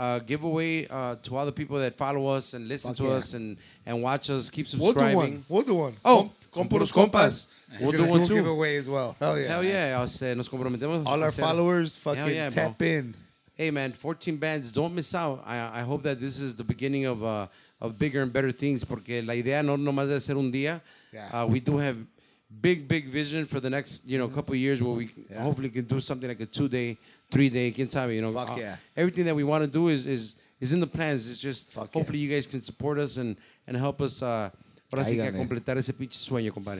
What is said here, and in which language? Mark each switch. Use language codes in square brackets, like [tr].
[en] give away to all the people that follow us and listen to us and watch us. Keep subscribing. We'll do one. Oh, Compuros Compas. We'll do one too. Giveaway as well. Hell yeah. All our followers, fucking tap in. Hey, man, 14 bands. Don't miss out. I hope that this is the beginning of bigger and better things. [es] Porque la idea no nomás de hacer un día. [en] Yeah. We do have big vision for the next couple of years where we hopefully can do something like a 2-day. 3-day, [es] quien sabe, [en] Fuck yeah. Everything that we want to do is in the plans. It's just hopefully you guys can support us and help us [es] para seguir completar ese pinche sueño, compadre.